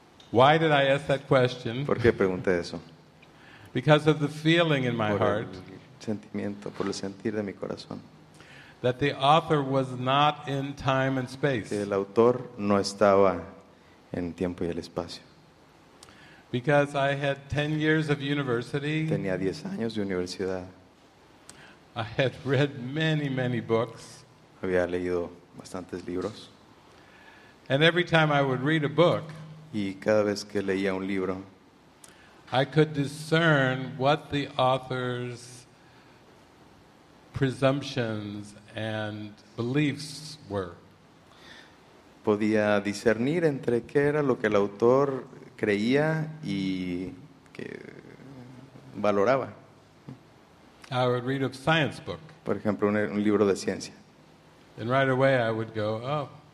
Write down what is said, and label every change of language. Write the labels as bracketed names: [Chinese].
[English] Why did I ask that question? [Spanish] ¿Por qué pregunté eso? [English] Because of the feeling in my heart. [Spanish] Sentimiento, por el sentir de mi corazón. [English] That the author was not in time and space. [Spanish] Que el autor no estaba en tiempo y el espacio. [English] Because I had 10 years of university. [Spanish] Tenía 10 años de universidad. [English] I had read many, many books. [Spanish] Había leído bastantes libros. [English] And every time I would read a book, [Spanish] y cada vez que leía un libro, [English] I could discern what the author's presumptions and beliefs were. [Spanish] Podía discernir entre qué era lo que el autor creía y que valoraba. [English] I would read a science book. [Spanish] Por ejemplo, un libro de ciencia. [English] And right away I would go, oh.